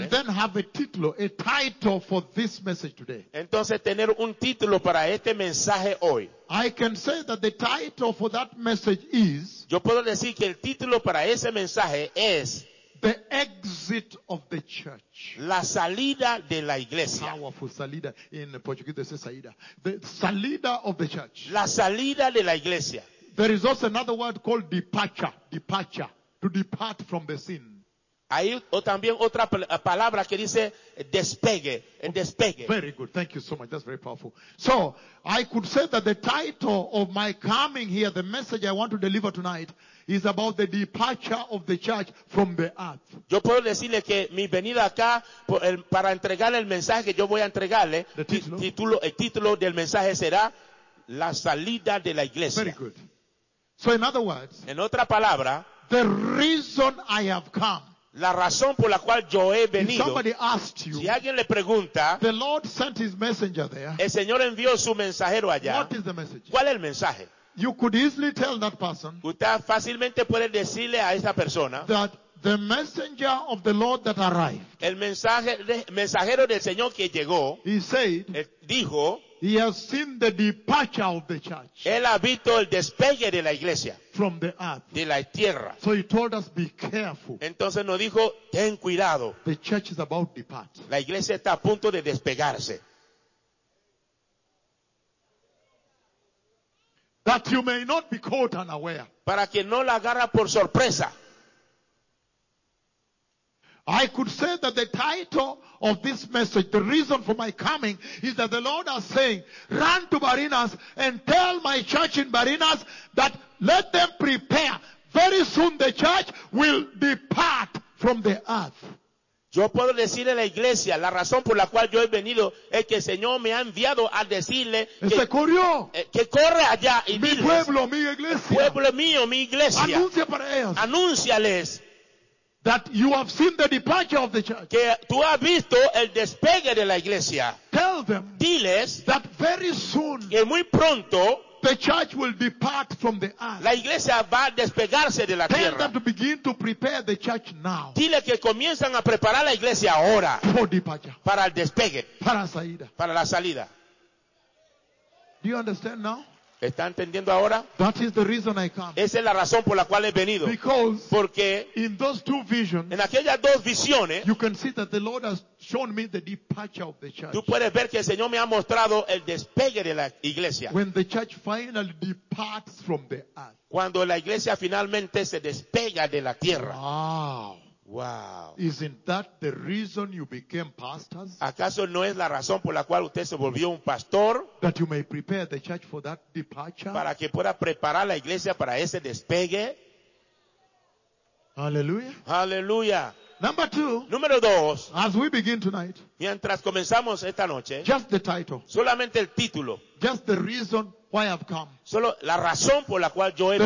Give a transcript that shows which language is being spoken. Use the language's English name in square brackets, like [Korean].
[English] and then have a title, for this message today. [Spanish] Entonces tener un título para este mensaje hoy. [English] I can say that the title for that message is, [Spanish] yo puedo decir que el título para ese mensaje es [English] the exit of the church, [Spanish] la salida de la iglesia. [English] Powerful salida in Portuguese, they say saída. The salida of the church, [Spanish] la salida de la iglesia. [English] There is also another word called departure, departure, to depart from the scene. [Spanish] Hay también otra palabra que dice despegue, despegue. [English] Very good. Thank you so much. That's very powerful. So, I could say that the title of my coming here, the message I want to deliver tonight, is about the departure of the church from the earth. [Spanish] Yo puedo decirle que mi venida acá para entregarle el mensaje que yo voy a entregarle, el título del mensaje será la salida de la iglesia. [English] Very good. So, in other words, [Spanish] en otra palabra, [English] the reason I have come, [Spanish] la razón por la cual yo he venido. [English] You, [Spanish] si alguien le pregunta, [English] the Lord sent his messenger there, [Spanish] el Señor envió su mensajero allá. [English] What is the message? [Spanish] ¿Cuál es el mensaje? [English] You could easily tell that person, [Spanish] usted fácilmente puede decirle a esa persona, [English] that the messenger of the Lord that arrived, [Spanish] el mensajero del Señor que llegó, [English] he said, [Spanish] dijo, [English] he has seen the departure of the church. [Spanish] Él ha visto el despegue de la iglesia. [English] From the earth. [Spanish] De la tierra. [English] So he told us, be careful. [Spanish] Entonces nos dijo, ten cuidado. [English] The church is about to depart. [Spanish] La iglesia está a punto de despegarse. [English] That you may not be caught unaware. [Spanish] Para que no la agarra por sorpresa. [English] I could say that the title of this message, the reason for my coming, is that the Lord is saying, run to Barinas and tell my church in Barinas that let them prepare. Very soon the church will depart from the earth. [Spanish] Yo puedo decirle a la iglesia, la razón por la cual yo he venido es que el Señor me ha enviado a decirle que corre allá y mi diles, pueblo, mi iglesia, pueblo mío, mi iglesia, anuncia para ellos. Anúnciales. [English] That you have seen the departure of the church. [Spanish] Que tú has visto el despegue de la iglesia. [English] Tell them. [Spanish] Diles. [English] That very soon. [Spanish] Que muy pronto. [English] The church will depart from the earth. [Spanish] La iglesia va a despegarse de la [English] tell [Spanish] tierra. [English] Tell them to begin to prepare the church now. [Spanish] Dile que comienzan a preparar la iglesia ahora. [English] For departure. [Spanish] Para el despegue. Para la salida. Para la salida. [English] Do you understand now? [Spanish] ¿Está entendiendo ahora? [English] That is the reason I come. [Spanish] Esa es la razón por la cual he venido. [English] Because [Spanish] porque [English] in those two visions, [Spanish] en aquellas dos visiones, [English] you can see that the Lord has shown me the departure of the church. [Spanish] Tú puedes ver que el Señor me ha mostrado el despegue de la iglesia. [English] When the church finally departs from the earth. [Spanish] Cuando la iglesia finalmente se despega de la tierra. [English] Wow. Wow. Isn't that the reason you became pastors? [Spanish] ¿Acaso no es la razón por la cual usted se volvió un pastor? [English] That you may prepare the church for that departure? [Spanish] Para que pueda preparar la iglesia para ese despegue. [English] Hallelujah. Hallelujah. Number two. [Spanish] Número dos. [English] As we begin tonight. [Spanish] Mientras comenzamos esta noche. [English] Just the title. [Spanish] Solamente el título. [English] Just the reason why I've come. [Spanish] Solo la razón por la cual yo he